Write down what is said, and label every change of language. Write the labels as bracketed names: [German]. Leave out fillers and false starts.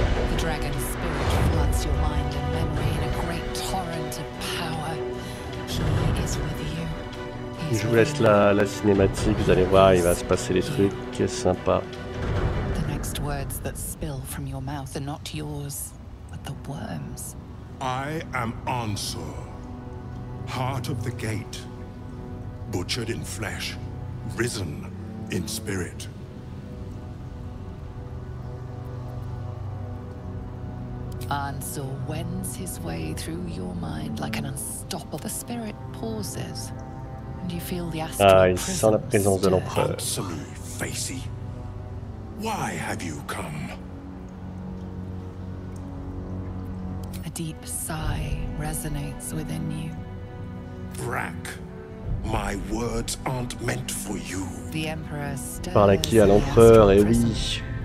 [English] The dragon spirit floods your mind and memory in a great torrent of power. He is with you. [French] Je vous laisse la cinématique, vous allez voir, il va se passer des trucs, c'est sympa. [English] The next words that spill from your mouth are not yours, but the worms. I am Ansur, heart of the gate, butchered in flesh, risen in spirit. Ansur wends his way through your mind like an unstoppable. The spirit pauses, and you feel the astral presence [French] de l'empereur. [English] Answer me, Facey. Why have you come? A deep sigh resonates within you. Brack, my words aren't meant for you. The emperor stirs. [French] Parle à qui, à l'empereur, et oui.